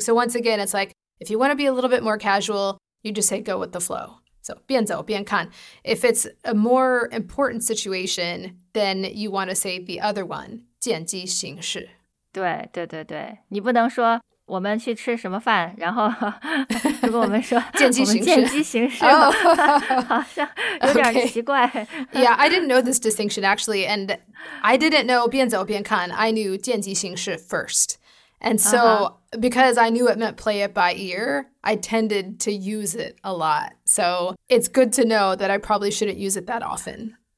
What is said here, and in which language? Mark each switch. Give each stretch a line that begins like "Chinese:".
English: So once again, it's like, if you want to be a little bit more casual, you just say go with the flow.
Chinese: So 边走边看.
English: If it's a more important situation, then you want to say the other one.
Chinese: 见机行事。对对对对，你不能说我们去吃什么饭，然后如果我们说见机行事，好像有点奇怪。Yeah,
English: I didn't know this distinction actually, and I didn't know 边走边看. I knew 见机行事 first, and so because I knew it meant play it by ear, I tended to use it a lot. So it's good to know that I probably shouldn't use it that often.